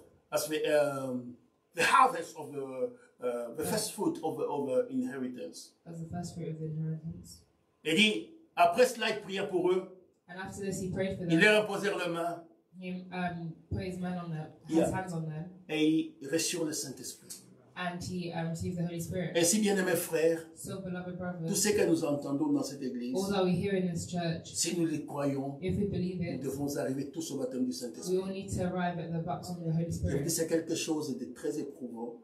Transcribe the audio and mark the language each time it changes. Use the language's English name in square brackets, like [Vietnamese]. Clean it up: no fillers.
[English] the harvest of the first fruit of the inheritance. As the first fruit of the inheritance. [French] Et dit après cela il pria pour eux. [English] And after this he prayed for them. [French] Il leur imposèrent les mains. [English] He put his man on the, his yeah. hands on them. [French] Et ils reçurent le Saint-Esprit. [English] And he received the Holy Spirit. [French] Ainsi, bien-aimés frères, [English] so, beloved brothers, [French] tout ce que nous entendons dans cette église, [English] all that we hear in this church, [French] si nous les croyons, [English] if we believe it, [French] nous devons arriver tous au baptême du Saint-Esprit. [English] We all need to arrive at the baptism of the Holy Spirit. [French] Je dis, c'est quelque chose de très éprouvant.